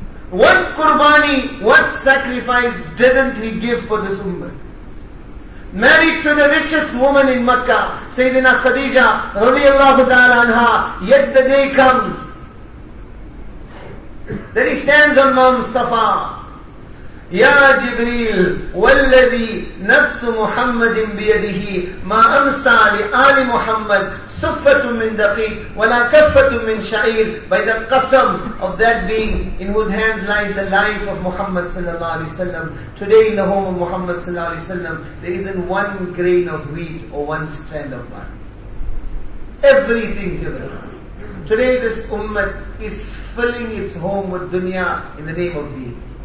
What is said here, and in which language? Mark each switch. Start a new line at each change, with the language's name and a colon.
English: What qurbani, what sacrifice didn't he give for this ummah? Married to the richest woman in Makkah, Sayyidina Khadija radiallahu ta'ala anha, yet the day comes that he stands on Mount Safa.
Arabic: Ya Jibreel, والذي نفس محمد بيده ما أمسى لآل محمد صفة من دقيق ولا كفة من شعير.
English: By the qasam of that being in whose hands lies the life of Muhammad sallallahu alaihi wasallam, today in the home of Muhammad sallallahu alaihi wasallam, there isn't one grain of wheat or one strand of barley. Everything given. Today this ummah is filling its home with dunya in the name of deen.